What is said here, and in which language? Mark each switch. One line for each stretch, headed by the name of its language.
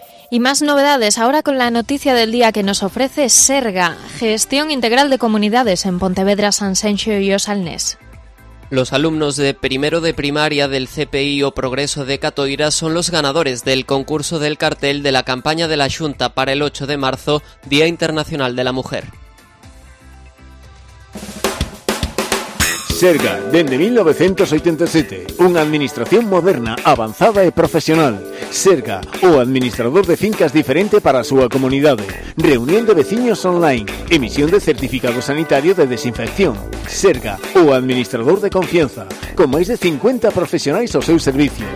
Spanish: Y más novedades, ahora con la noticia del día que nos ofrece SERGA, Gestión Integral de Comunidades en Pontevedra, Sanxenxo y Osalnés. Los alumnos de primero de primaria del CPI o Progreso de Catoira son los ganadores del concurso del cartel de la campaña de la Xunta para el 8 de marzo, Día Internacional de la Mujer.
Galician: SERGA, dende 1987, unha administración moderna, avanzada e profesional. SERGA, o administrador de fincas diferente para a súa comunidade. Reunión de veciños online, emisión de certificado sanitario de desinfección. SERGA, o administrador de confianza, con máis de 50 profesionais ao seu servicio.